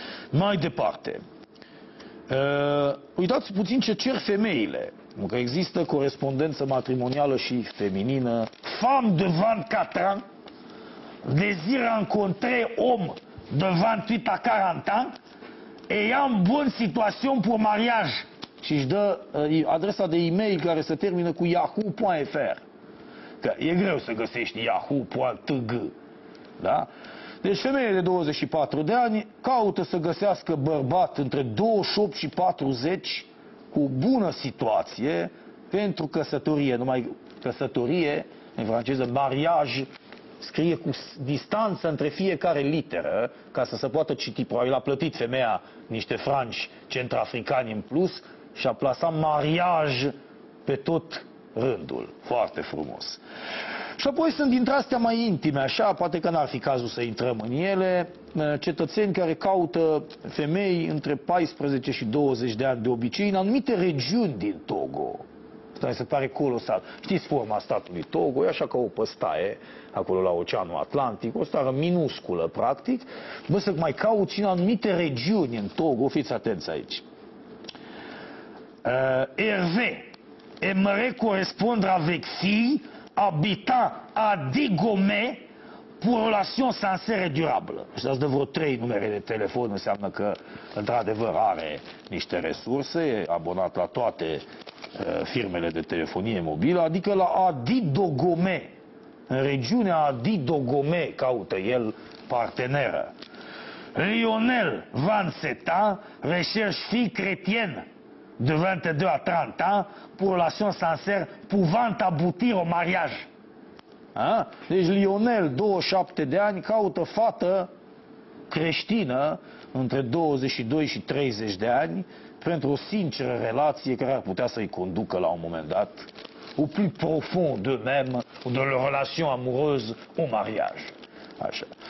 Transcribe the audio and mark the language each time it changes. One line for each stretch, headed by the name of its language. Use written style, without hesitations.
Romanian: Mai departe, uitați puțin ce cer femeile, că există corespondență matrimonială și feminină.
French: Femme de 24 ans désire rencontrer homme de 28 à 40 ans ayant bonne situation pour mariage.
Romanian: Și își dă adresa de e-mail care se termină cu yahoo.fr. Că e greu să găsești yahoo.tg. Da? Deci femeie de 24 de ani caută să găsească bărbat între 28 și 40 cu bună situație pentru căsătorie. Numai căsătorie, în franceză mariage, scrie cu distanță între fiecare literă ca să se poată citi. Probabil a plătit femeia niște franci centrafricani în plus și a plasat mariage pe tot rândul. Foarte frumos. Și apoi sunt dintre astea mai intime, așa, poate că n-ar fi cazul să intrăm în ele, cetățeni care caută femei între 14 și 20 de ani de obicei în anumite regiuni din Togo. Asta se pare colosal. Știți forma statului Togo, e așa ca o păstaie acolo la Oceanul Atlantic, o stare minusculă, practic. Bă, să mai cauți în anumite regiuni în Togo, fiți atenți aici.
French: Hervé aimerait correspondre avec fille habitant à Digomé pour relation sincère et durable.
Romanian: Și dați de vreo 3 numere de telefon, înseamnă că într-adevăr are niște resurse, e abonat la toate firmele de telefonie mobilă, adică la Adidogome. În regiunea Adidogome caută el parteneră.
French: Lionel, 27 ans, recherche fille chrétienne de 22 à 30 ans pour relation sincère pouvant aboutir au mariage. A?
Romanian: Deci Lionel, 27 de ani, caută fată creștină între 22 și 30 de ani pentru o sinceră relație care ar putea să-i conducă la un moment dat
French: au plus profond d'eux-mêmes ou de leur relation amoureuse au mariage.
Romanian: Așa.